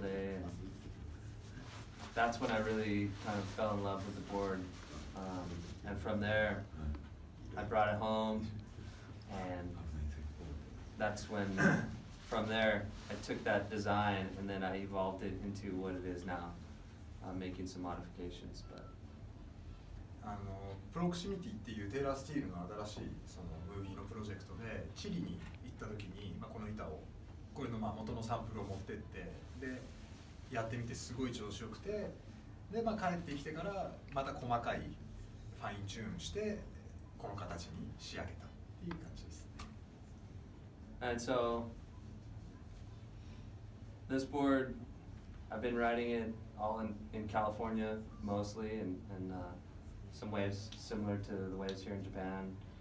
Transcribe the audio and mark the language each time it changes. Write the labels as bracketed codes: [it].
[en] And that's when I really kind of fell in love with the board. And from there, I brought it home. And that's when... From there, I took that design and then I evolved it into what it is now. I'm making some modifications, but... [ja] Proximity っていうテイラースティールの新しいそのムービーのプロジェクトで、チリに行った時に、まあ、この板を、これのまあ元のサンプルを持ってって、で、やってみてすごい調子よくて、で、まあ、帰ってきてからまた細かいファインチューンして、この形に仕上げたっていう感じですね。 [en] And so... This board, I've been riding it all in California mostly, and some waves similar to the waves here in Japan.